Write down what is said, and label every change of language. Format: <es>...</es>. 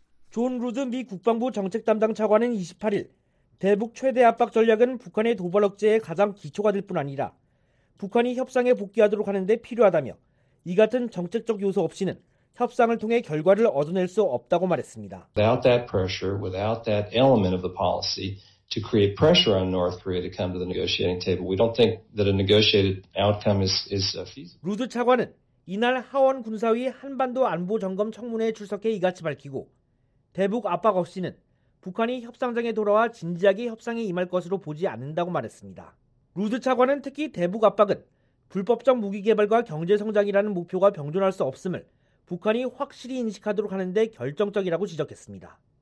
<ko>존 루드 미 국방부 정책 담당 차관은 28일 대북 최대 압박 전략은 북한의 도발 억제에 가장 기초가 될 뿐 아니라 북한이 협상에 복귀하도록 하는 데 필요하다며 이 같은 정책적 요소 없이는 협상을 통해 결과를 얻어낼 수 없다고 말했습니다.</ko> <en>Without that pressure, without that element of the policy to create pressure on North Korea to come to the negotiating table, we don't think that a negotiated outcome is feasible.</en> <ko>루드 차관은 이날 하원 군사위 한반도 안보 점검 청문회에 출석해 이같이 밝히고 대북 압박 없이는 북한이 협상장에 돌아와 진지하게 협상에 임할 것으로 보지 않는다고 말했습니다. 루드 차관은 특히 대북 압박은 불법적 무기 개발과 경제 성장이라는 목표가 병존할 수 없음을 북한이 확실히 인식하도록 하는 데 결정적이라고 지적했습니다.</ko>